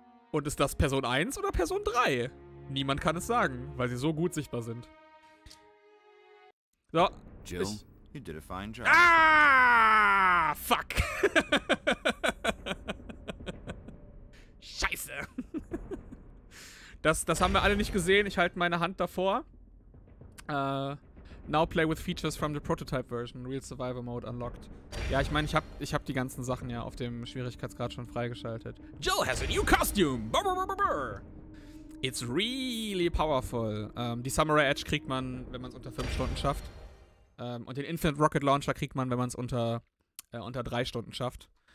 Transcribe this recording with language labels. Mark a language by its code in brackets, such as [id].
[de] Und ist das Person 1 oder Person 3? Niemand kann es sagen, weil sie so gut sichtbar sind. So. [en] Jill, you did a fine job. Ah! Fuck! [de] Scheiße! Das haben wir alle nicht gesehen. Ich halte meine Hand davor. [en] Now play with features from the prototype version. Real Survival Mode unlocked. [de] Ja, ich meine, ich hab die ganzen Sachen ja auf dem Schwierigkeitsgrad schon freigeschaltet. [en] Jill has a new costume! Brr, brr, brr, brr. It's really powerful. [de] Die Samurai Edge kriegt man, wenn man es unter 5 Stunden schafft. Und den Infinite Rocket Launcher kriegt man, wenn man es unter 3 Stunden schafft.